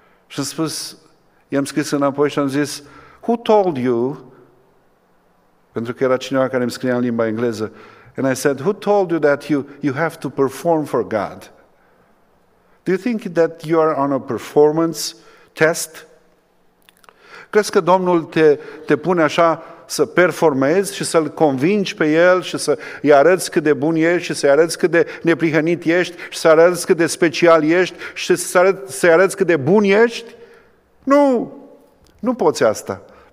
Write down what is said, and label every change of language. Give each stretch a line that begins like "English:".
Romanian: Și am spus, i-am scris înapoi și am zis,
English: who told you,
Romanian: pentru că era cineva care îmi scria în limba engleză,
English: and I said, who told you that you have to perform for God? Do you think that you are on a performance test?
Romanian: Crezi că Domnul te pune așa să performezi și să-L convingi pe El și să-I arăți cât de bun ești și să-I arăți cât de neprihănit ești și să-I arăți cât de special ești și să-I arăți cât de bun ești? Nu poți asta.